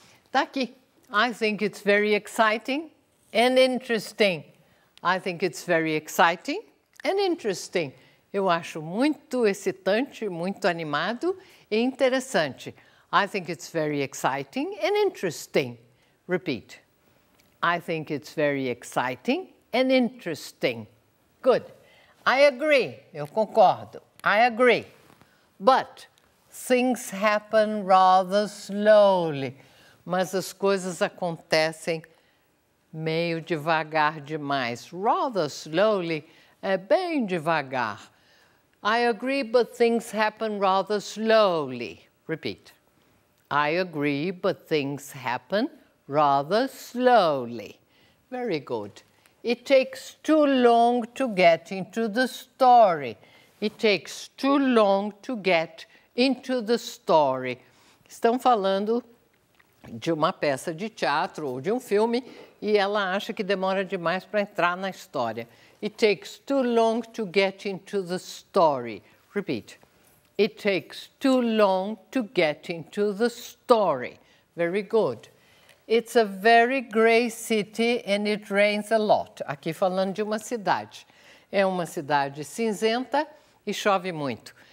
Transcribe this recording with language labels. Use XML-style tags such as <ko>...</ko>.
<pt>Tá aqui.</pt> <en>I think it's very exciting and interesting. I think it's very exciting and interesting.</en> <pt>Eu acho muito excitante, muito animado e interessante.</pt> <en>I think it's very exciting and interesting. Repeat. I think it's very exciting and interesting. Good. I agree.</en> <pt>Eu concordo.</pt> <en>I agree. But things happen rather slowly.</en> <pt>Mas as coisas acontecem meio devagar demais.</pt> <en>Rather slowly</en> <pt>é bem devagar.</pt> <en>I agree, but things happen rather slowly. Repeat. I agree, but things happen rather slowly. Very good. It takes too long to get into the story. It takes too long to get into the story.</en> <pt>Estão falando de uma peça de teatro ou de um filme e ela acha que demora demais para entrar na história.</pt> <en>It takes too long to get into the story. Repeat. It takes too long to get into the story. Very good. It's a very grey city and it rains a lot.</en> <pt>Aqui falando de uma cidade. É uma cidade cinzenta e chove muito.</pt>